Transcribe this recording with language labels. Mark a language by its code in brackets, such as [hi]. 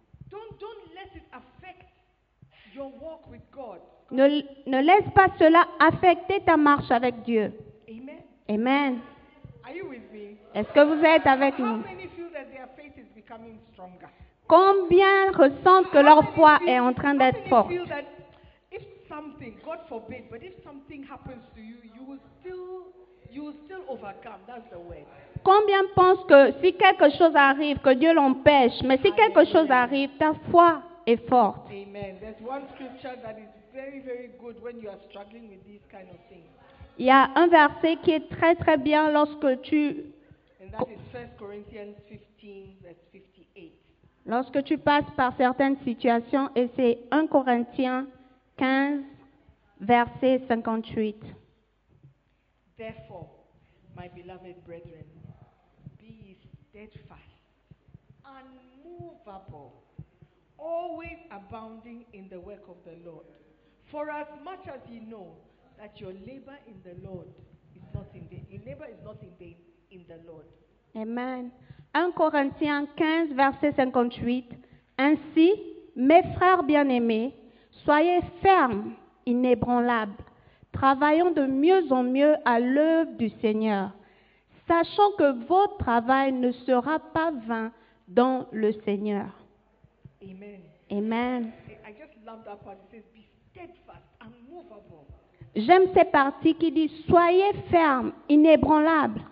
[en] Don't let it affect your walk with God. [fr] Ne laisse pas cela affecter ta marche avec Dieu. Amen. Amen. [en] Are you with me? [fr] Est-ce que vous êtes avec [en] How [fr] nous? [en] Many feel that their faith is becoming stronger? [fr] Combien ressentent [en] How [fr] que leur [en] many [fr] foi [en] feel, [fr] est en train d'être forte? [en] If something, God forbid, but if something happens to you, you will still overcome. That's the word. [fr] Combien pensent que si quelque chose arrive, que Dieu l'empêche, mais si Amen. Quelque chose arrive, ta foi est forte. Amen. [en] There's one scripture that is very, very good when you are struggling with these kind of things. [fr] Il y a un verset qui est très, très bien lorsque tu. [en] And that is 1 Corinthians 15, verse 58. [fr] Lorsque tu passes par certaines situations, et c'est 1 Corinthiens 15, verset 58. [en] Therefore, my beloved brethren, be steadfast, unmovable, always abounding in the work of the Lord. For as much as ye know that your labor in the Lord is not in vain. Your labor is not in vain in the Lord. [fr] Amen. 1 Corinthiens 15, verset 58. Ainsi, mes frères bien-aimés, soyez fermes, inébranlables. Travaillons de mieux en mieux à l'œuvre du Seigneur, sachant que votre travail ne sera pas vain dans le Seigneur. Amen. Amen. [en] I just love that part. It says, be steadfast, unmovable. [fr] J'aime cette partie qui dit, soyez fermes, inébranlables.